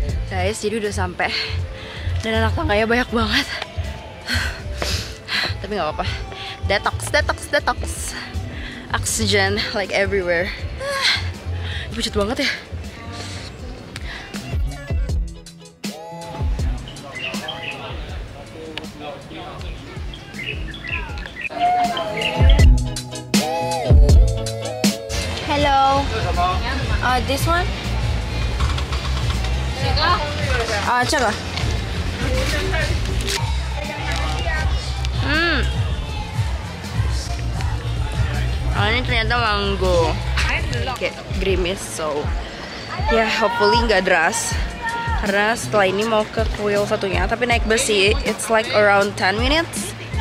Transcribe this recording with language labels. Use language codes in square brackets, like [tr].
[id] Guys, jadi udah sampai dan anak tangganya banyak banget. Tapi nggak apa-apa. Detox, detox, detox. [en] Oxygen like everywhere. [id] Pucat banget ya. [en] Hello. This one. [id] Coba. Oh, ini ternyata manggo. Kayak grimis, so ya yeah, hopefully nggak deras. Karena setelah ini mau ke kuil satunya, tapi naik bus sih. [en] It's like around 10 minutes.